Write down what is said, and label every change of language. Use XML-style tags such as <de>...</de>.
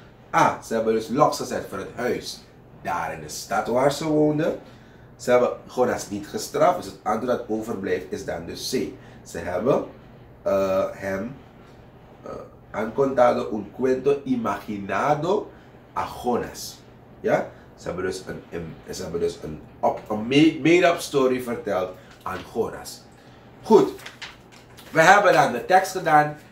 <nl>Ah, ze hebben dus locks gezet voor het huis. Daar in de stad waar ze woonden. Ze hebben Jonas niet gestraft. Dus het antwoord dat overblijft is dan dus C. Ze hebben</nl> <es>han contado un cuento imaginado a Jonas.</es> <nl>Ja? Ze hebben dus een made-up story verteld aan Jonas. Goed. We hebben dan de tekst gedaan.</nl>